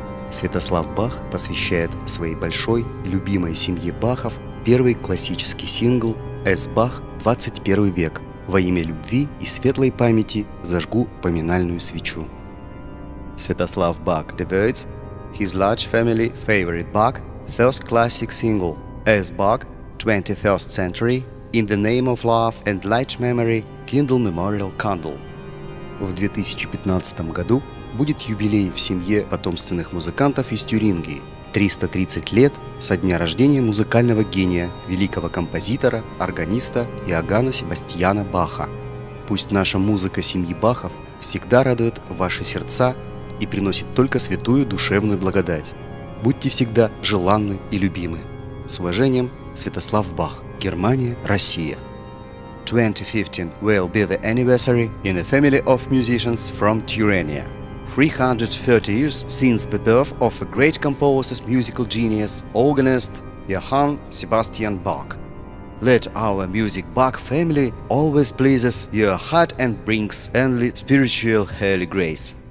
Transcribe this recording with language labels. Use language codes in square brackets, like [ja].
[ru] Святослав Бах посвящает своей большой, любимой семье Бахов первый классический сингл «С. Бах. 21 век. Во имя любви и светлой памяти зажгу поминальную свечу». [en] Святослав Бах devotes his large family favorite Bach first classic single «С. Бах. 21st century. In the name of love and light memory, kindle memorial candle». [ru] В 2015 году будет юбилей в семье потомственных музыкантов из Тюрингии. 330 лет со дня рождения музыкального гения, великого композитора, органиста Иоганна Себастьяна Баха. Пусть наша музыка семьи Бахов всегда радует ваши сердца и приносит только святую душевную благодать. Будьте всегда желанны и любимы. С уважением, Святослав Бах, Германия, Россия. [en] 2015 will be the anniversary in the family of musicians from Tyrania. 330 years since the birth of a great composer's musical genius, organist Johann Sebastian Bach. Let our music Bach family always pleases your heart and brings only spiritual holy grace.